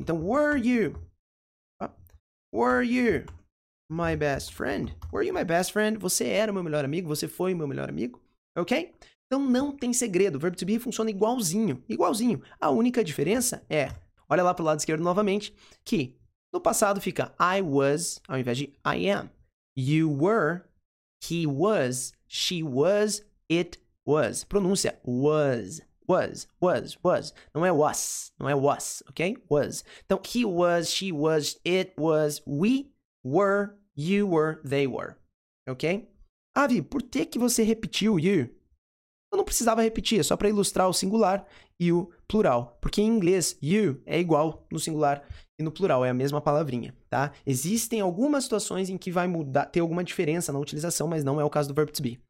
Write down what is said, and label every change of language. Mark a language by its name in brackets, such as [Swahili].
[English] Então, were you? Were you my best friend? Were you my best friend? [Portuguese] Você era meu melhor amigo? Você foi meu melhor amigo? Ok? Então, não tem segredo. O verbo to be funciona igualzinho. Igualzinho. A única diferença é, olha lá pro lado esquerdo novamente, que no passado fica I was, ao invés de I am. [English] You were, he was, she was, it was. [Portuguese] Pronúncia was, was, was, was. Não é was, não é was, ok? Was. [English] Então, he was, she was, it was, we were, you were, they were. [Portuguese] Ok? Avi, por que você repetiu you? Eu não precisava repetir, é só para ilustrar o singular e o plural. Porque em inglês, you é igual no singular e no plural, é a mesma palavrinha, tá? Existem algumas situações em que vai mudar, ter alguma diferença na utilização, mas não é o caso do verbo to be.